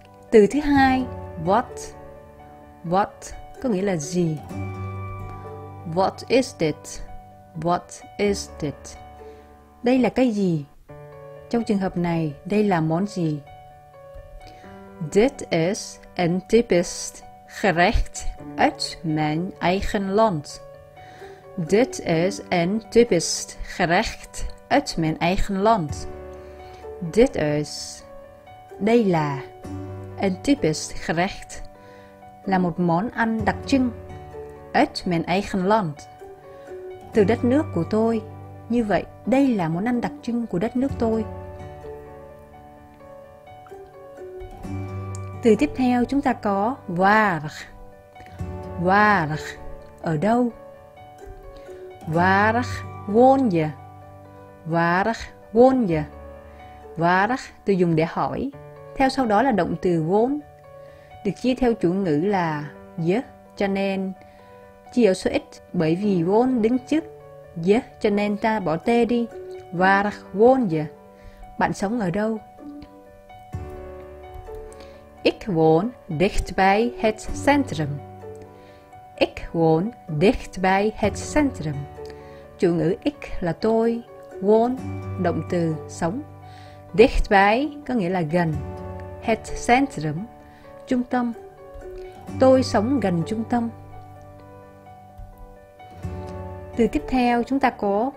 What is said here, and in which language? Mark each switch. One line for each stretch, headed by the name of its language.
Vietnamese: Từ thứ hai, what.
English: What
Vietnamese: có nghĩa là gì?
English: What is it? What is it?
Vietnamese: Đây là cái gì? Trong trường hợp này, đây là món gì?
English: This is a typical
Dutch: gerecht uit mijn eigen land.
English: This is a typical
Dutch: gerecht uit mijn eigen land.
English: This is.
Vietnamese: Đây là.
English: A typical gerecht
Vietnamese: là một món ăn đặc trưng.
Dutch: Uit mijn eigen land.
Vietnamese: Từ đất nước của tôi. Như vậy, đây là món ăn đặc trưng của đất nước tôi. Từ tiếp theo chúng ta có
Dutch: waar. Waar,
Vietnamese: ở đâu?
Dutch: Waar woon je? Waar woon je? Waar,
Vietnamese: từ dùng để hỏi. Theo sau đó là động từ woon, được chia theo chủ ngữ là je, cho nên chia số ít. Bởi vì won đứng trước je, cho nên ta bỏ t đi.
Dutch: Waar woon je?
Vietnamese: Bạn sống ở đâu?
Dutch: Ik woon dichtbij het centrum. Ik woon dichtbij het centrum.
Vietnamese: Chủ ngữ ik là tôi, woon động từ sống. Dichtbij có nghĩa là gần. Het centrum, trung tâm. Tôi sống gần trung tâm. Từ tiếp theo chúng ta có